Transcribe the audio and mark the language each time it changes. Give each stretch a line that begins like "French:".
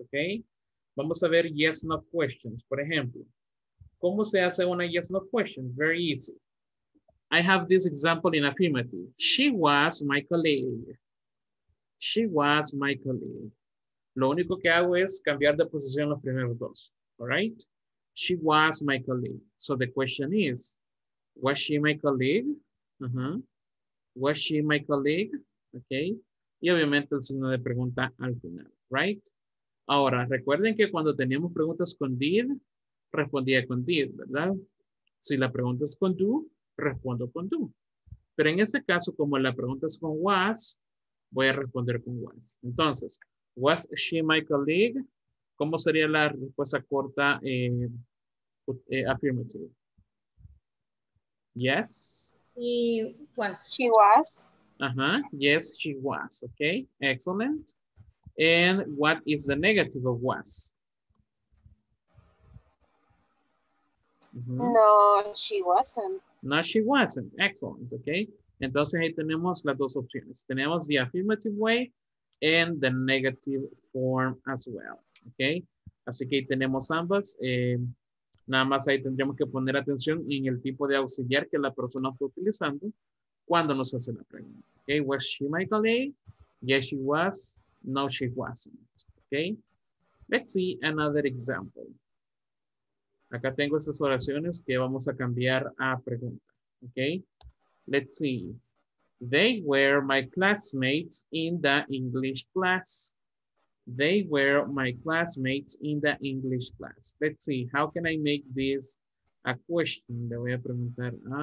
Spanish: Okay, vamos a ver yes, no questions. Por ejemplo, ¿cómo se hace una yes no question?
English: Very easy. I have this example in affirmative. She was my colleague. She was my colleague.
Spanish: Lo único que hago es cambiar de posición los primeros dos.
English: All right? She was my colleague. So the question is, was she my colleague? Uh-huh. Was she my colleague? Okay.
Spanish: Y obviamente el signo de pregunta al final.
English: Right?
Spanish: Ahora, recuerden que cuando teníamos preguntas con did, respondía con did, ¿verdad? Si la pregunta es con do, respondo con do. Pero en este caso, como la pregunta es con was, voy a responder con was. Entonces,
English: was she my colleague?
Spanish: ¿Cómo sería la respuesta corta affirmative? Yes.
English: She was. Uh-huh. Yes, she was. Okay, excellent. And what is the negative of was? Mm-hmm. No, she wasn't. Excellent. Okay.
Spanish: Entonces ahí tenemos las dos opciones. Tenemos
English: the affirmative way and the negative form as well.
Spanish: Okay. Así que ahí tenemos ambas. Nada más ahí tendríamos que poner atención en el tipo de auxiliar que la persona está utilizando cuando nos hace la pregunta.
English: Okay. Was she my colleague? Yes, she was. No, she wasn't. Okay. Let's see another example.
Spanish: Acá tengo estas oraciones que vamos a cambiar a pregunta.
English: Okay. Let's see. They were my classmates in the English class. They were my classmates in the English class. Let's see. How can I make this a question?
Spanish: Le voy a preguntar.